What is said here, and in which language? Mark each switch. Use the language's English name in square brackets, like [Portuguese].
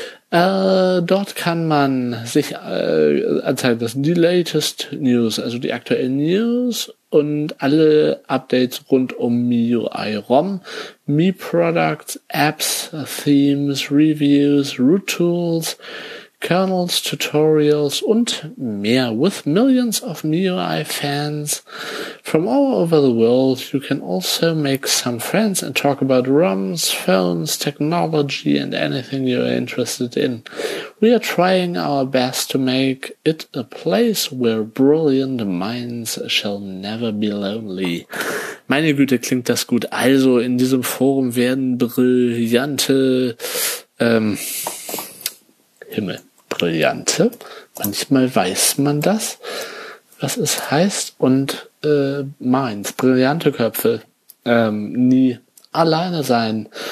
[German] Dort kann man sich anzeigen, das sind die [English] latest news, [German] also die aktuellen News und alle Updates rund um MIUI ROM, Mi Products, Apps, Themes, Reviews, Root Tools, Kernels, Tutorials und mehr. [English] With millions of MIUI fans from all over the world, you can also make some friends and talk about ROMs, phones, technology and anything you're interested in. We are trying our best to make it a place where brilliant minds shall never be lonely. [German] Meine Güte, klingt das gut. Also, in diesem Forum werden brillante Himmel. Brillante. Manchmal weiß man das, was es heißt. Und meins, brillante Köpfe, nie alleine sein.